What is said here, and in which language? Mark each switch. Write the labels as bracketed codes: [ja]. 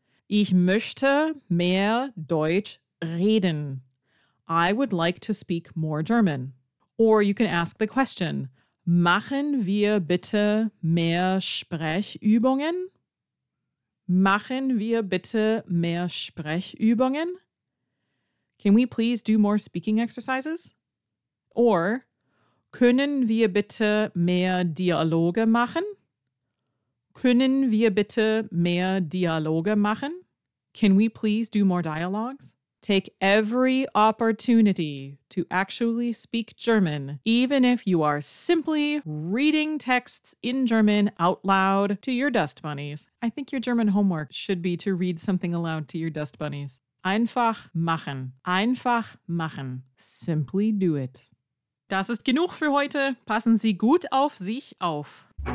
[de] Ich möchte mehr Deutsch reden. [en] I would like to speak more German. Or you can ask the question, [de] machen wir bitte mehr Sprechübungen? Machen wir bitte mehr Sprechübungen? [en] Can we please do more speaking exercises? Or, [de] können wir bitte mehr Dialoge machen? Können wir bitte mehr Dialoge machen? [en] Can we please do more dialogues? Take every opportunity to actually speak German, even if you are simply reading texts in German out loud to your dust bunnies. I think your German homework should be to read something aloud to your dust bunnies. [de] Einfach machen. Einfach machen. [en] Simply do it. [de] Das ist genug für heute. Passen Sie gut auf sich auf.